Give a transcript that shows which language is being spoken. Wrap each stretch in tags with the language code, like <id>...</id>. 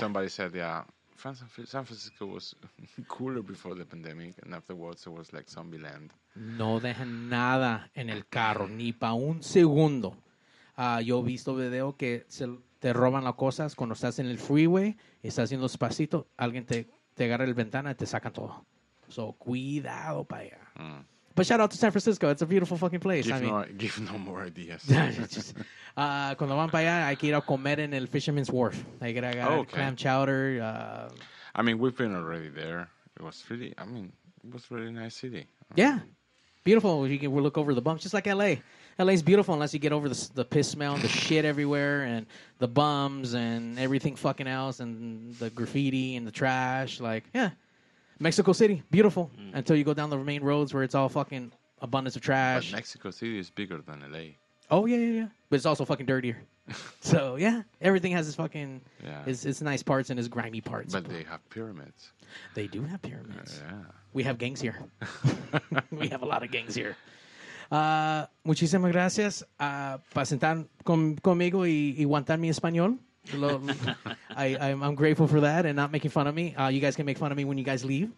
<en>Somebody said, San Francisco was cooler before the pandemic, and afterwards it was like zombie land.</en> <es>No dejan nada en el carro, ni para un segundo. Yo he visto video que te roban las cosas cuando estás en el freeway, estás haciendo despacito, alguien te agarra el ventana y te sacan todo. So, cuidado para allá.</es> <en>But shout out to San Francisco. It's a beautiful fucking place. Give no more ideas.</en> <es>cuando van para allá, hay que ir a comer en el Fisherman's Wharf. Hay que agarrar clam chowder.</es> <en>I mean, we've been already there. It was really nice city. Yeah. Beautiful. You can look over the bumps, just like L.A. L.A.'s beautiful unless you get over the piss smell and the shit everywhere and the bums and everything fucking else and the graffiti and the trash. Like, yeah. Mexico City, beautiful. Mm. Until you go down the main roads where it's all fucking abundance of trash. But Mexico City is bigger than L.A. Oh, yeah, yeah, yeah. But it's also fucking dirtier. So, yeah. Everything has its fucking... Yeah. It's nice parts and its grimy parts. But they have pyramids. They do have pyramids. Yeah. We have gangs here. We have a lot of gangs here.</en> <es>Muchísimas gracias para sentar conmigo y aguantar mi español.</es> <en>I'm grateful for that and not making fun of me. You guys can make fun of me when you guys leave.</en>